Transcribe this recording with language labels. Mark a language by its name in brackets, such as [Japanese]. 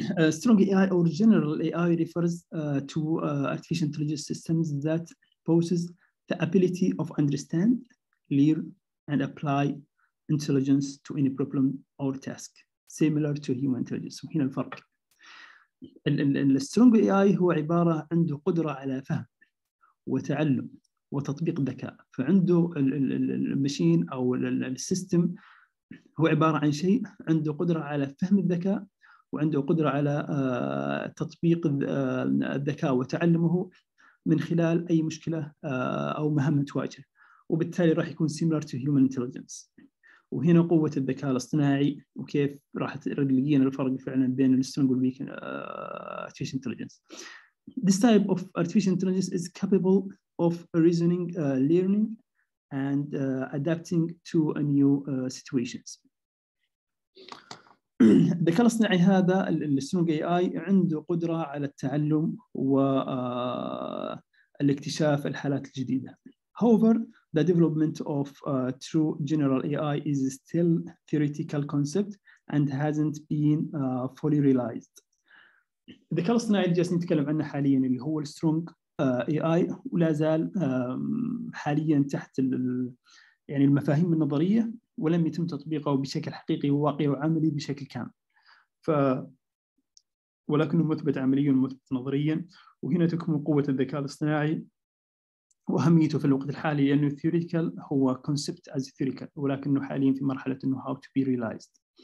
[English] Strong AI or general AI refers to artificial intelligence systems that possess the ability of understand, learn, and apply intelligence to any problem or task, similar to human intelligence. [Arabic] وهنا الفرق. Strong AI هو عبارة عنده قدرة على فهم وتعلم وتطبيق ذكاء. فعنده المشين أو السيستم هو عبارة عن شيء عنده قدرة على فهم الذكاء وعنده قدرة على تطبيق الذكاء وتعلمه من خلال أي مشكلة أو مهمة تواجه، وبالتالي راح يكون [English] similar to human intelligence. [Arabic] وهنا قوة الذكاء الاصطناعي وكيف راح تلقين الفرق فعلا بين [English] strong and weak artificial intelligence. This type of artificial intelligence is capable of reasoning, learning and adapting to a new situations. [Arabic] الذكاء الاصطناعي هذا السترونج اي اي عنده قدره على التعلم والاكتشاف الحالات الجديده. [English] However, the development of true general AI is still theoretical concept and hasn't been fully realized. [Arabic] الذكاء الاصطناعي اللي جالسين نتكلم عنه حاليا اللي هو السترونج اي اي ولا زال حاليا تحت يعني المفاهيم النظريه ولم يتم تطبيقه بشكل حقيقي وواقعي وعملي بشكل كامل. ولكنه مثبت عمليا ومثبت نظريا، وهنا تكمن قوة الذكاء الاصطناعي وأهميته في الوقت الحالي، لأنه theoretical هو concept as theoretical، ولكنه حاليا في مرحلة أنه [English] how to be realized.